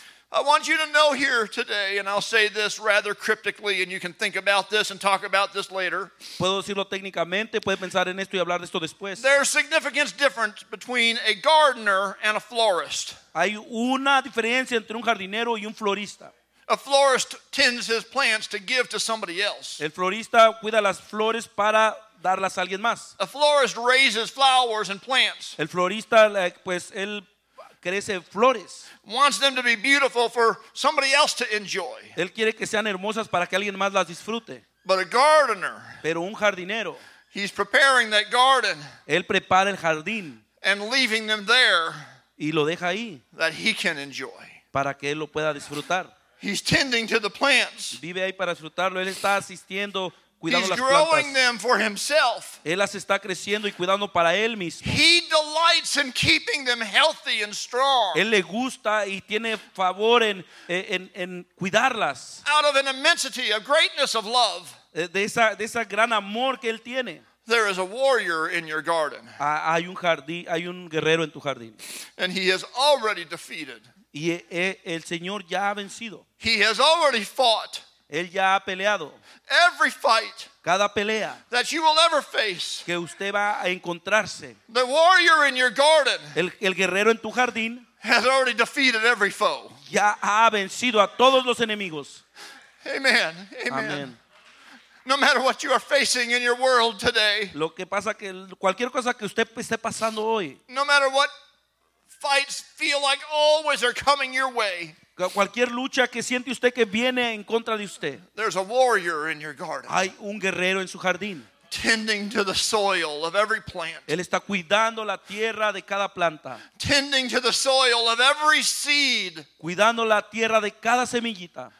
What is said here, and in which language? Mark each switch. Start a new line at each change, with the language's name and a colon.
English: I want you to know here today, and I'll say this rather cryptically, and you can think about this and talk about this later.
Spanish: Puedo decirlo técnicamente, puedes pensar en esto y hablar de esto después.
English: There's significance difference between a gardener and a florist.
Spanish: Hay una diferencia entre un jardinero y un florista.
English: A florist tends his plants to give to somebody else.
Spanish: El florista cuida las flores para darlas a alguien más.
English: A florist raises flowers and plants.
Spanish: El florista, pues, él crece flores.
English: Wants them to be beautiful for somebody else to enjoy.
Spanish: Él quiere que sean hermosas para que alguien más las disfrute.
English: But a gardener.
Spanish: Pero un jardinero.
English: He's preparing that garden.
Spanish: Él prepara el jardín.
English: And leaving them there.
Spanish: Y lo deja ahí.
English: That he can enjoy.
Spanish: Para que él lo pueda disfrutar.
English: He's tending to the plants.
Spanish: Vive ahí para disfrutarlo. Él está asistiendo.
English: He's growing them for himself.
Spanish: Él las está creciendo y cuidando para él mismo.
English: He delights in keeping them healthy and strong.
Spanish: Él le gusta y tiene favor en cuidarlas.
English: Out of an immensity, a greatness of love.
Spanish: De esa gran amor que él tiene.
English: There is a warrior in your garden.
Spanish: Hay un guerrero en tu jardín.
English: And he has already defeated.
Spanish: Y el Señor ya ha vencido.
English: He has already fought.
Spanish: Él ya ha peleado.
English: Every fight
Spanish: cada pelea
English: that you will ever face,
Spanish: que usted va a encontrarse,
English: the warrior in your garden,
Spanish: el guerrero en tu jardín,
English: has already defeated every foe.
Spanish: Ya ha vencido a todos los enemigos.
English: Amen. Amen. Amen. No matter what you are facing in your world today,
Spanish: lo que pasa que cualquier cosa que usted esté pasando hoy,
English: no matter what fights feel like always are coming your way.
Spanish: Cualquier lucha que siente usted que viene en contra de usted.
English: There's a warrior in your garden.
Spanish: Hay un guerrero en su jardín.
English: Tending to the soil of every plant.
Spanish: Él está cuidando la tierra de cada planta.
English: Tending to the soil of every seed.
Spanish: Cuidando la tierra de cada semillita.